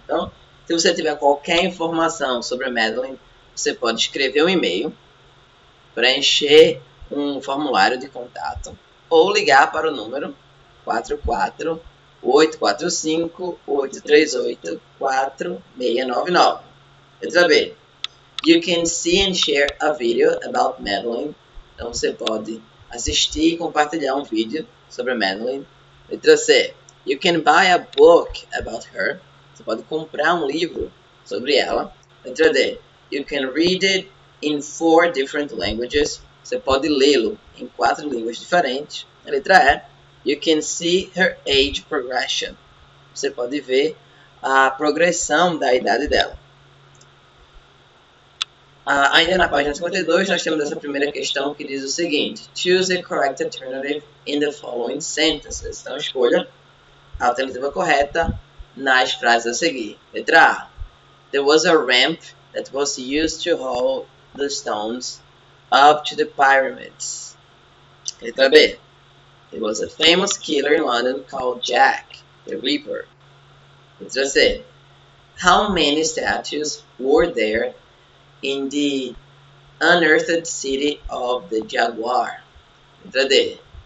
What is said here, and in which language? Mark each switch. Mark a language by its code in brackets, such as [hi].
[pt] Então, se você tiver qualquer informação sobre a Madeleine, você pode escrever um e-mail, preencher um formulário de contato ou ligar para o número 44 845 838 4699. Letra B. [en] You can see and share a video about Madeline. [pt] Então você pode assistir e compartilhar um vídeo sobre Madeline. Letra C. [en] You can buy a book about her. [pt] Você pode comprar um livro sobre ela. Letra D. [en] You can read it in four different languages. [pt] Você pode lê-lo em quatro línguas diferentes. Letra E. [en] You can see her age progression. [pt] Você pode ver a progressão da idade dela. Ainda na página 52, nós temos essa primeira questão que diz o seguinte: [en] Choose the correct alternative in the following sentences. [pt] Então, escolha a alternativa correta nas frases a seguir. Letra A. [en] There was a ramp that was used to haul the stones up to the pyramids. [pt] Letra B. [en] There was a famous killer in London called Jack the Ripper. [pt] Letra C. [en] How many statues were there in the unearthed city of the Jaguar? [pt] Letra D.